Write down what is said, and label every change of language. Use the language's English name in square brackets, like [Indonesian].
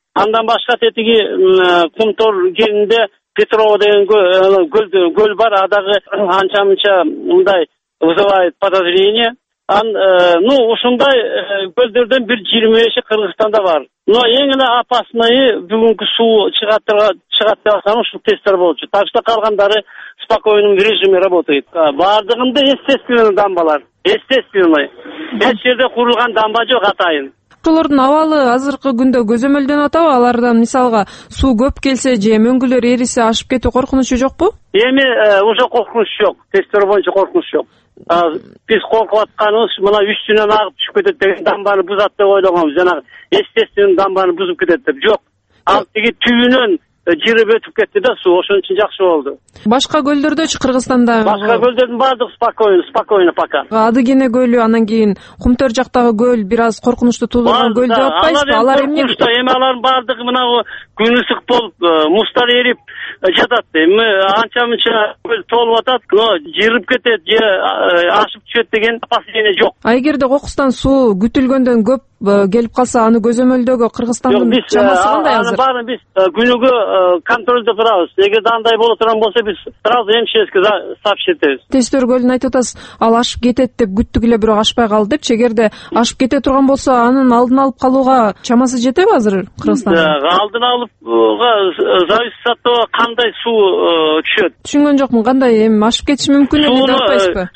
[Kyrgyz] Андан башка тетиги Кумтор кенинде Петрово деген көл бар, адагы анча мынча мындай [Russian] вызывает подозрение. [Kyrgyz] Ушундай көлдөрдөн 125 Кыргызстанда бар. Но эң эле опасный бүгүнкү суу чыгат деп атканы ушул Тестер болчу. [Russian] Так что [Kyrgyz] калгандары [Russian] в спокойном режиме работает. [Kyrgyz] Баардыгында естественный дамбалар. Естественный. Эч жерде курулган дамба жок атайын. Ошолордун абалы азыркы күндө көзөмөлдөнүп атабы? Алардан мисалга суу көп келсе же мөңгүлөр эрисе ашып кетүү коркунучу жокпу? Эми уже коркунуч жок. Тестер боюнча коркунуч жок. Биз коркуп атканыбыз мына үстүнөн агып түшүп кетет деген дамбаны бузат деп ойлогонбуз. Жанагы естественный дамбаны бузуп кетет деп. Жок. Ал тиги түбүнөн жирип өтүп кетти да суу. Ошон үчүн жакшы болду. Башка көлдөрдөчү Кыргызстанда? Башка көлдөрдүн баардыгы [Russian] спокойно пока. [Kyrgyz] Адыгене көлү, анан кийин Кумтор жактагы көл бир аз коркунучту туулдурган көл деп атпайсызбы? Алар эмне коркунучта? Эми алардын баардыгы мына күн ысык болуп, муздар эрип жатат. Эми анча мынча көл толуп атат, но жирип кетет же ашып түшөт деген опасение жок. А эгерде кокустан суу күтүлгөндөн көп келип калса, аны көзөмөлдөгү Кыргызстандын чамасы кандай азыр? Анын баарын биз күнүгө контролдө турабыз. Эгерде андай боло турган болсо, биз [Russian] сразу МЧСге сообщить [Kyrgyz] этебиз. Тестер көлүн айтып атасыз, ал ашып кетет деп күттүк эле, бирок ашпай калды депчи. Эгерде ашып кете турган болсо, анын алдын алып калууга чамасы жетеби азыр Кыргызстандын? Алдын алууга [Russian] зависит от того, [Kyrgyz] кандай суу түшөт. Түшүнгөн жокмун, кандай эми ашып кетиши мүмкүн эле деп атпайсызбы?